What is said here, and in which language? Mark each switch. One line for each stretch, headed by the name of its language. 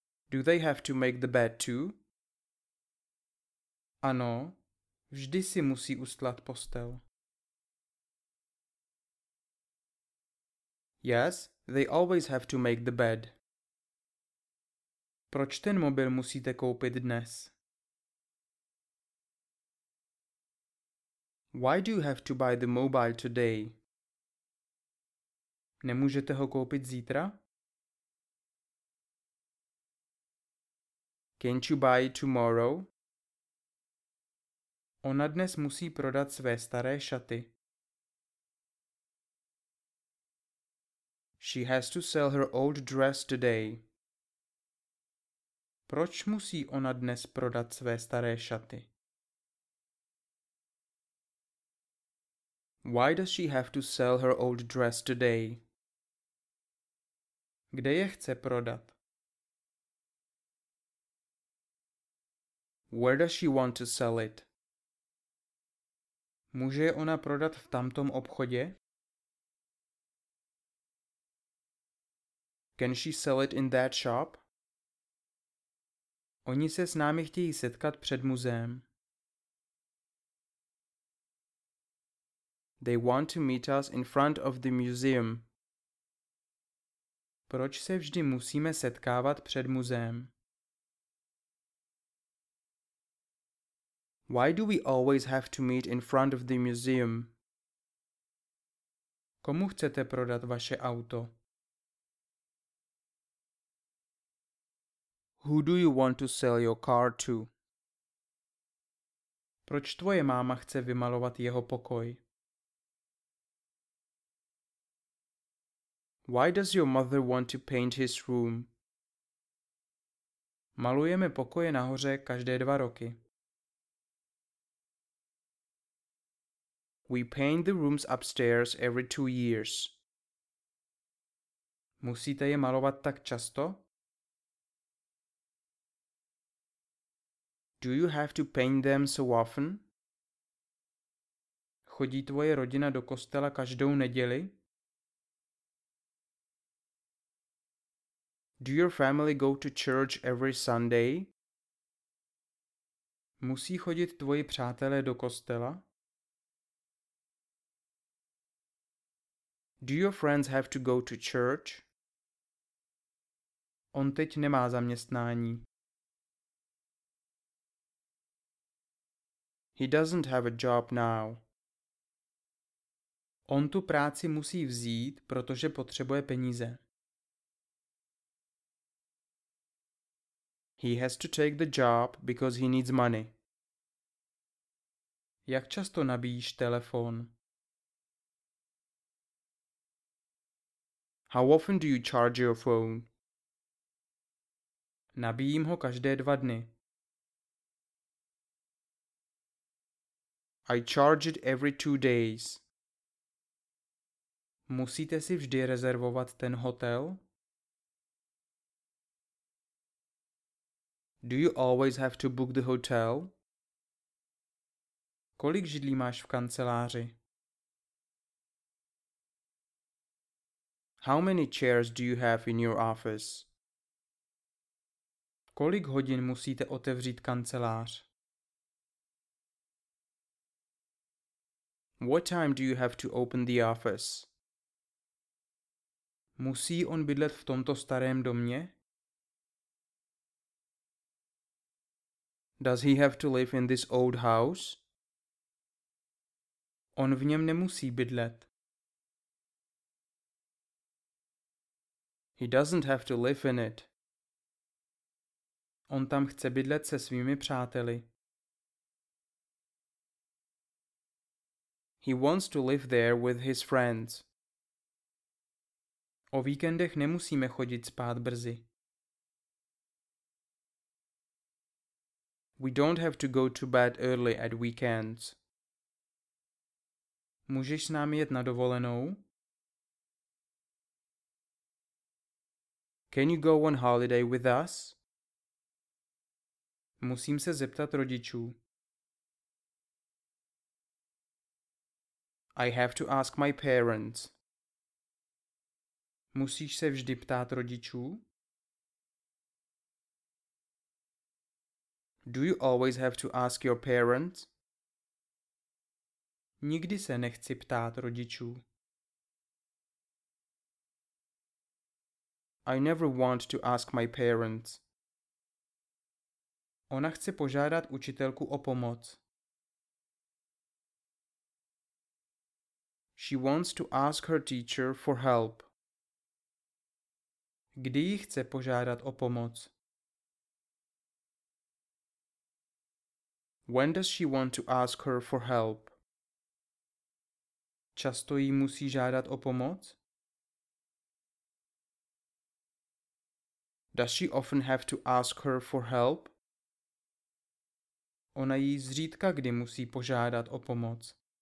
English: Do they have to make the bed too?
Czech: Ano, vždy si musí ustlat postel.
English: Yes, they always have to make the bed.
Czech: Proč ten mobil musíte koupit dnes?
English: Why do you have to buy the mobile today?
Czech: Nemůžete ho koupit zítra?
English: Can't you buy it tomorrow?
Czech: Ona dnes musí prodat své staré šaty.
English: She has to sell her old dress today.
Czech: Proč musí ona dnes prodat své staré šaty?
English: Why does she have to sell her old dress today?
Czech: Kde je chce prodat?
English: Where does she want to sell it?
Czech: Může ona prodat v tamtom obchodě?
English: Can she sell it in that shop?
Czech: Oni se s námi chtějí setkat před muzeem.
English: They want to meet us in front of the museum.
Czech: Proč se vždy musíme setkávat před muzeem?
English: Why do we always have to meet in front of the museum?
Czech: Komu chcete prodat vaše auto?
English: Who do you want to sell your car to?
Czech: Proč tvoje máma chce vymalovat jeho pokoj?
English: Why does your mother want to paint his room?
Czech: Malujeme pokoje nahoře každé dva roky.
English: We paint the rooms upstairs every 2 years.
Czech: Musíte je malovat tak často?
English: Do you have to paint them so often?
Czech: Chodí tvoje rodina do kostela každou neděli?
English: Do your family go to church every Sunday?
Czech: Musí chodit tvoji přátelé do kostela?
English: Do your friends have to go to church?
Czech: On teď nemá zaměstnání.
English: He doesn't have a job now.
Czech: On tu práci musí vzít, protože potřebuje peníze.
English: He has to take the job because he needs money.
Czech: Jak často nabíjíš telefon?
English: How often do you charge your phone?
Czech: Nabíjím ho každé dva dny.
English: I charge it every 2 days.
Czech: Musíte si vždy rezervovat ten hotel?
English: Do you always have to book the hotel?
Czech: Kolik židlí máš v kanceláři?
English: How many chairs do you have in your office?
Czech: Kolik hodin musíte otevřít kancelář?
English: What time do you have to open the office?
Czech: Musí on bydlet v tomto starém domě?
English: Does he have to live in this old house?
Czech: On v něm nemusí bydlet.
English: He doesn't have to live in it.
Czech: On tam chce bydlet se svými přáteli.
English: He wants to live there with his friends.
Czech: O víkendech nemusíme chodit spát brzy.
English: We don't have to go to bed early at weekends.
Czech: Můžeš s námi jet na dovolenou?
English: Can you go on holiday with us?
Czech: Musím se zeptat rodičů.
English: I have to ask my parents.
Czech: Musíš se vždy ptát rodičů?
English: Do you always have to ask your parents?
Czech: Nikdy se nechci ptát rodičů.
English: I never want to ask my parents.
Czech: Ona chce požádat učitelku o pomoc.
English: She wants to ask her teacher for help.
Czech: Kdy ji chce požádat o pomoc?
English: When does she want to ask her for help?
Czech: Často jí musí žádat o pomoc?
English: Does she often have to ask her for help?
Czech: Ona jí zřídka kdy musí požádat o pomoc.